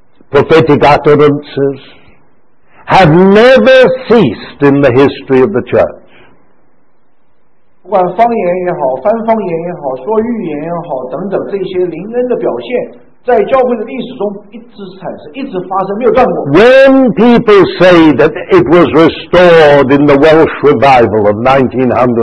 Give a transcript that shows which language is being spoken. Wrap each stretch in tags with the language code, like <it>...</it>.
<en>prophetic utterances have never ceased in the history of the church.</en> <zh>不管方言也好,翻方言也好,说预言也好,等等,这些灵恩的表现,在教会的历史中一直产生,一直发生,没有断过。</zh> <en>When people say that it was restored in the Welsh Revival of 1903,</en>